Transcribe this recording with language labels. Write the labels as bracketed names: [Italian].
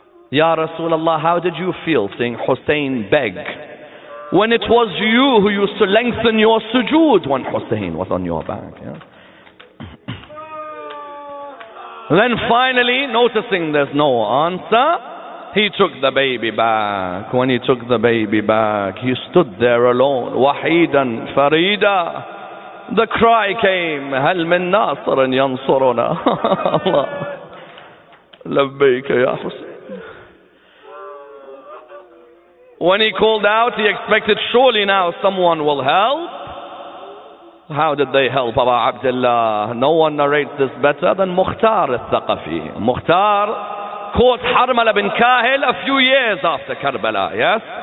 [English] Ya Rasulullah, how did you feel seeing Hussein beg when it was you who used to lengthen your sujood when Hussein was on your back? Yeah? Then finally, noticing there's no answer, he took the baby back. When he took the baby back, he stood there alone. [Arabic] Wahidan Farida. [English] The cry came, [Arabic] هَلْ مِنْ نَاصَرٍ يَنْصُرُنَا Allah, لَبَّيْكَ يَا حُسَيْنَ. [English] When he called out, he expected surely now someone will help. How did they help Abu Abdullah? No one narrates this better than Mukhtar al-Thaqafi. Mukhtar caught Harmala bin Kahil a few years after Karbala, yes?